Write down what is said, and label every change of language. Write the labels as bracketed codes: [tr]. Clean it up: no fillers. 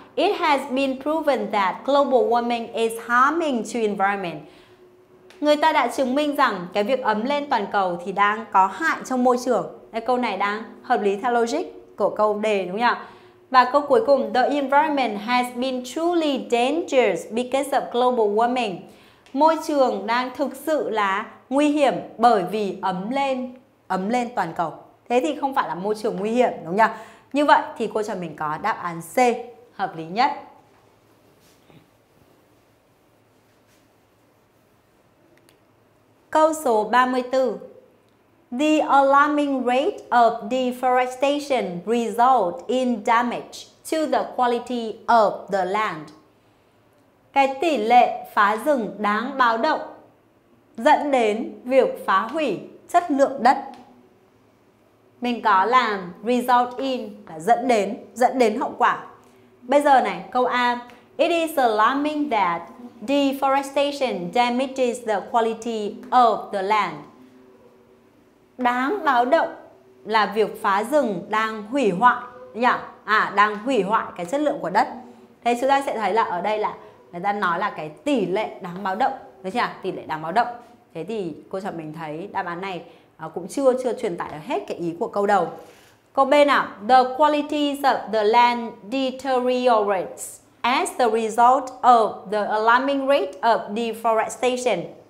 [en] It has been proven that global warming is harming to environment. [vi] Người ta đã chứng minh rằng cái việc ấm lên toàn cầu thì đang có hại cho môi trường. Đây, câu này đang hợp lý theo logic của câu đề, đúng không ạ? Và câu cuối cùng, [en] the environment has been truly dangerous because of global warming. [vi] Môi trường đang thực sự là nguy hiểm bởi vì ấm lên toàn cầu. Thế thì không phải là môi trường nguy hiểm, đúng không ạ? Như vậy thì cô cho mình có đáp án C hợp lý nhất. Câu số 34. [en] The alarming rate of deforestation result in damage to the quality of the land. [vi] Cái tỷ lệ phá rừng đáng báo động dẫn đến việc phá hủy chất lượng đất. Mình có làm result in là dẫn đến hậu quả. Bây giờ này, câu A. [en] It is alarming that deforestation damages the quality of the land. [vi] Đáng báo động là việc phá rừng đang hủy hoại nhỉ? À, đang hủy hoại cái chất lượng của đất. Thế chúng ta sẽ thấy là ở đây là người ta nói là cái tỷ lệ đáng báo động, đúng chưa? Tỷ lệ đáng báo động. Thế thì cô cho mình thấy đáp án này cũng chưa truyền tải được hết cái ý của câu đầu. Câu B nào. [en] The qualities of the land deteriorates as the result of the alarming rate of deforestation.